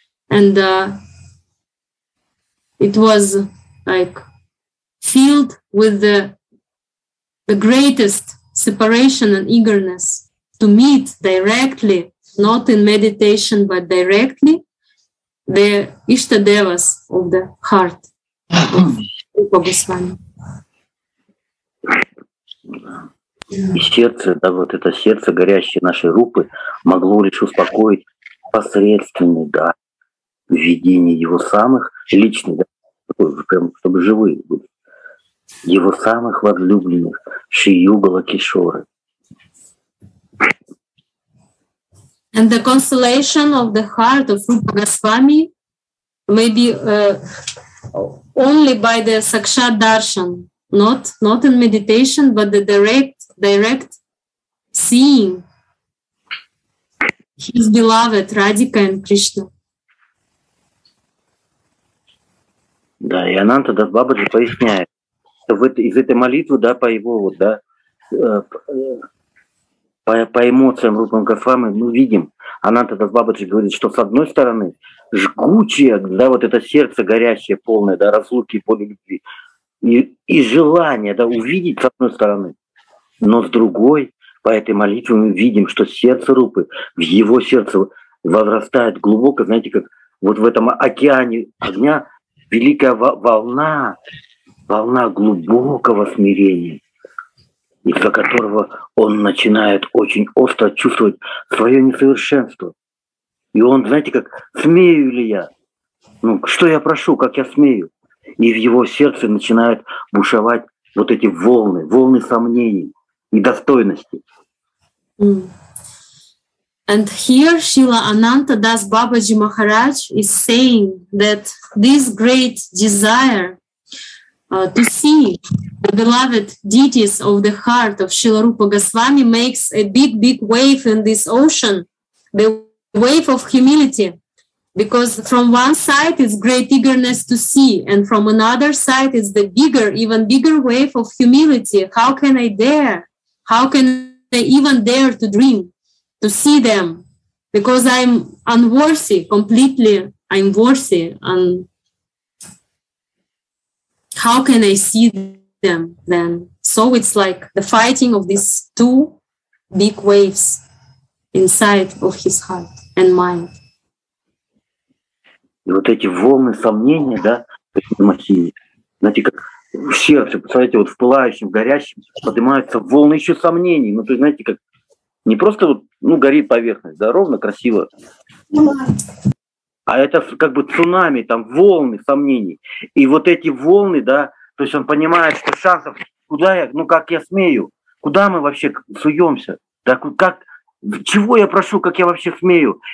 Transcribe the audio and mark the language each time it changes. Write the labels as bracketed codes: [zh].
[en] And it was like filled with the greatest separation and eagerness to meet directly, not in meditation, but directly, the Ishta Devas of the heart of Goswami. [ru] И сердце, да, вот это сердце, горящее нашей рупы, могло лишь успокоить посредственный дар видение его самых личных, да, прям чтобы живые были, его самых возлюбленных, Шри Югала Кишоры. [en] And the consolation of the heart of Rupa Goswami may be only by the Sakshat Darshan, not in meditation, but the direct seeing his beloved Radhika and Krishna. [ru] Да, и Ананта Дас Бабаджи поясняет, что из этой молитвы, да, по его вот, да, по эмоциям Рупа Госвами мы видим. Ананта Дас Бабаджи говорит, что с одной стороны жгучее, да, вот это сердце горящее, полное, да, разлуки, боли, любви и желание, да, увидеть с одной стороны, но с другой по этой молитве мы видим, что сердце Рупы, в его сердце возрастает глубоко, знаете, как вот в этом океане огня великая волна глубокого смирения, из-за которого он начинает очень остро чувствовать свое несовершенство. И он, знаете, как, смею ли я? Ну, что я прошу, как я смею? И в его сердце начинают бушевать вот эти волны сомнений и достойности. [en] And here Srila Ananta Das Babaji Maharaj is saying that this great desire to see the beloved deities of the heart of Srila Rupa Goswami makes a big, big wave in this ocean, the wave of humility. Because from one side is great eagerness to see, and from another side is the bigger, even bigger wave of humility. How can I dare? How can I even dare to dream, to see them? Because I'm unworthy, completely unworthy, and how can I see them then? So it's like the fighting of these two big waves inside of his heart and mind. [ru] И вот эти волны сомнения, да, Махини, знаете, как в сердце, представляете, вот в пылающем, горящем поднимаются волны еще сомнений. Ну, то есть, знаете, как не просто вот, ну, горит поверхность, да, ровно, красиво. А это как бы цунами, там волны сомнений. И вот эти волны, да, то есть он понимает, что шансов, куда я, ну, как я смею, куда мы вообще суемся, да, как, чего я прошу, как я вообще смею.